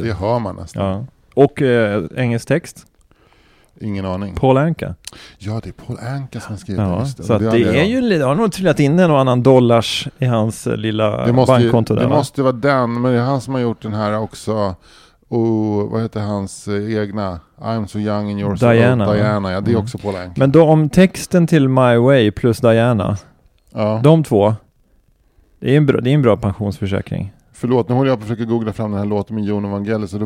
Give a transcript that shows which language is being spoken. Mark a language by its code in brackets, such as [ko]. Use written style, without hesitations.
[sv] Det hör man nästan, ja. Och engelsk text? Ingen aning. Paul Anka. Ja, det är Paul Anka som skriver, ja. Så det, det har nog trillat in en och annan dollars i hans lilla bankkonto där. Det måste vara den. Men det är han som har gjort den här också. Och vad heter hans egna [en] I'm so young and you're [sv] Diana, [en] so old. [sv] Diana, ja, det är också Paul Anka. Men då om texten till My Way plus Diana, ja. De två. Det är en bra pensionsförsäkring. Förlåt, nu håller jag på att försöka googla fram den här låten med Jon Evangelis, så då